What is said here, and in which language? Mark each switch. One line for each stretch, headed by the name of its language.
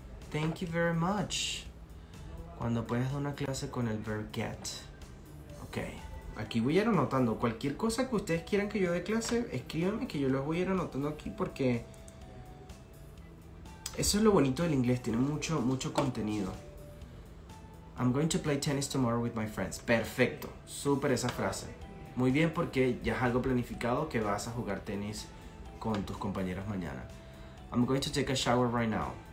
English: Thank you very much.
Spanish: Cuando puedes dar una clase con el verb get. Ok. Aquí voy a ir anotando. Cualquier cosa que ustedes quieran que yo dé clase, escríbanme que yo los voy a ir anotando aquí porque eso es lo bonito del inglés. Tiene mucho, mucho contenido.
English: I'm going to play tennis tomorrow with my friends.
Spanish: Perfecto. Súper esa frase. Muy bien porque ya es algo planificado que vas a jugar tenis con tus compañeros mañana.
English: I'm going to take a shower right now.